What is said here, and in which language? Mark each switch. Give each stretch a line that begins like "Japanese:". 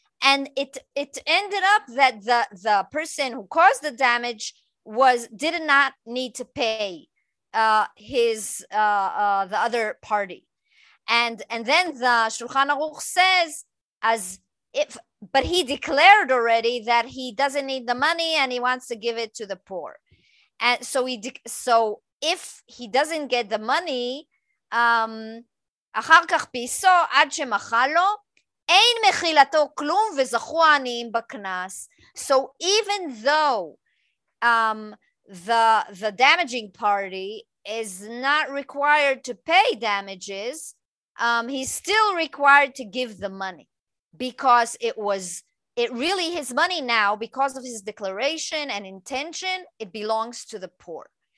English: And it ended up that the person who caused the damage did not need to pay the other party. And then the Shulchan Aruch says, but he declared already that he doesn't need the money and he wants to give it to the poor. And so if he doesn't get the money,
Hebrew: אחר כך פיסו עד שמחל לו, אין מחילתו כלום וזכו העניים בכנס.
English: So even though the damaging party is not required to pay damages, he's still required to give the money because it really his money now, because of his declaration and intention, it belongs to the poor.